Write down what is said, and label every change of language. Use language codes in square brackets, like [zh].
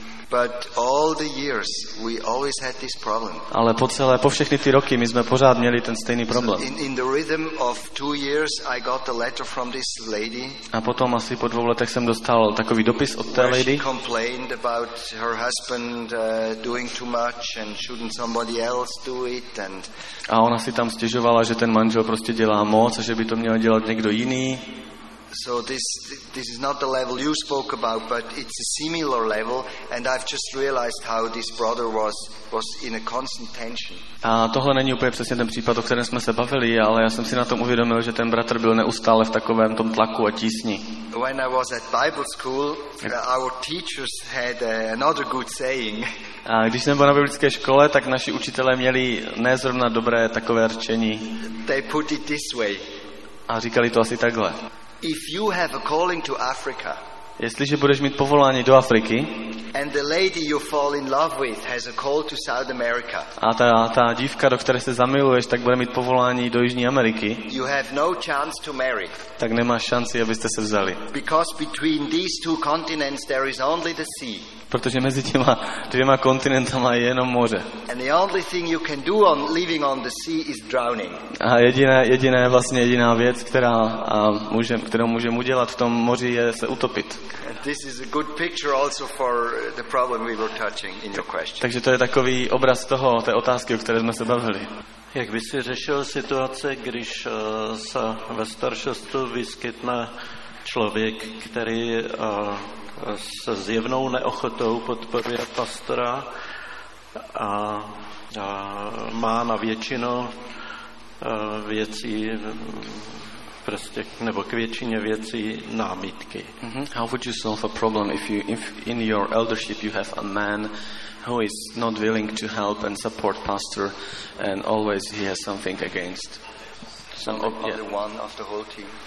[en] But all the years we always had this problem. [cs] Ale po celé, po všechny ty roky my jsme pořád měli ten stejný problém. [en] In the rhythm of 2 years I got a letter from this lady. [cs] A potom asi po 2 letech jsem dostal takový dopis od té lady. [en] She complained about her husband doing too much and shouldn't somebody else do it and [cs] a ona si tam stěžovala, že ten manžel prostě dělá moc a že by to měl dělat někdo jiný. [en] So this is not the level you spoke about, but it's a similar level, and I've just realized how this brother was in a constant tension. [cs] A tohle není úplně přesně ten případ, o kterém jsme se bavili, ale já jsem si na tom uvědomil, že ten bratr byl neustále v takovém tom tlaku a tísni. [en] When I was at Bible school, our teachers had another good saying. [cs] A když jsem byl na biblické škole, tak naši učitelé měli ne zrovna dobré takové řečení. [en] They put it this way. [cs] A říkali to asi takhle. [en] If you have a calling to Africa, [cs] jestliže budeš mít povolání do Afriky, [en] and the lady you fall in love with has a call to South America, [cs] a ta dívka, do které se zamiluješ, tak bude mít povolání do Jižní Ameriky, [en] you have no chance to marry, [cs] tak nemáš šanci, abyste se vzali. [en] Because between these two continents there is only the sea. [cs] Protože mezi těma dvěma kontinentama je jenom moře. [en] And the only thing you can do on living on the sea is drowning. [cs] A jediná věc, kterou můžeme udělat v tom moři, je se utopit. [en] And this is a good picture also for the problem we were touching in your question. [cs] Takže to je takový obraz toho, té otázky, o které jsme se bavili. Jak by si řešil situace, když se ve staršostu vyskytne člověk, který se zjevnou neochotou podporuje pastora a má na většinu věcí prostě nebo k většině věcí námitky. [en] How would you solve a problem if in your eldership you have a man who is not willing to help and support pastor and always he has something against some of the one of the whole team?